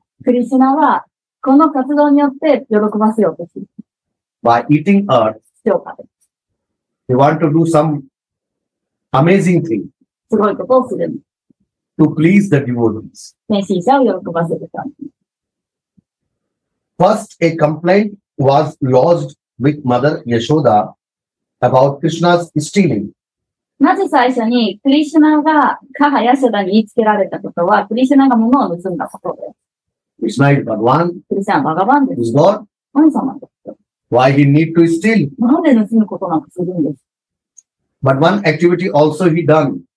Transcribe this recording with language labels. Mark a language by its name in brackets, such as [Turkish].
[Japanese] クリシュナは、この活動によって喜ばせようとする。 [English] By eating earth, [Japanese] 土を食べる。 [English] He want to do some amazing thing. [Japanese] すごいことをする。 [English] To please the devotees. [Japanese] 天使者を喜ばせるため。 [English] First, a complaint was lodged with Mother Yashoda about Krishna's stealing. [Japanese] なぜ最初にクリシュナが母ヤショダに言いつけられたことは、クリシュナが物を盗んだことです。 [English] Krishna is Bhagavan. Krishna is Bhagavan. Is God? [Japanese] 神様です。 [English] Why he need to steal? [Japanese] なんで盗むことなんかするんです。 [English] But one activity also he done.